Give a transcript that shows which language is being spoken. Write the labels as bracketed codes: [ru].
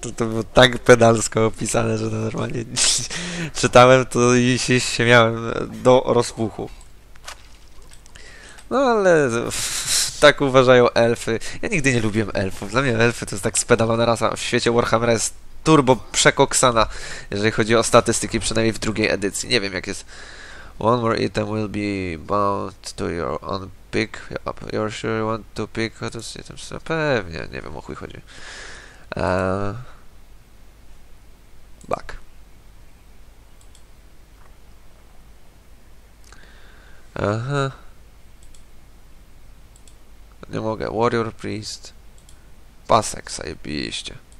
[pl] To było tak pedalsko opisane, że normalnie czytałem to i się miałem do rozpuchu. No ale tak uważają elfy. Ja nigdy nie lubiłem elfów. Dla mnie elfy to jest tak spedalona rasa. W świecie Warhammera jest turbo przekoksana, jeżeli chodzi o statystyki, przynajmniej w drugiej edycji. Nie wiem, jak jest. [en] One more item will be bound to your own pick. You're sure you want to pick? [pl] Pewnie, nie wiem, o chuj chodzi. [en] Back. Aha. [pl] Nie mogę. Warrior Priest. Pasek, zajebiście.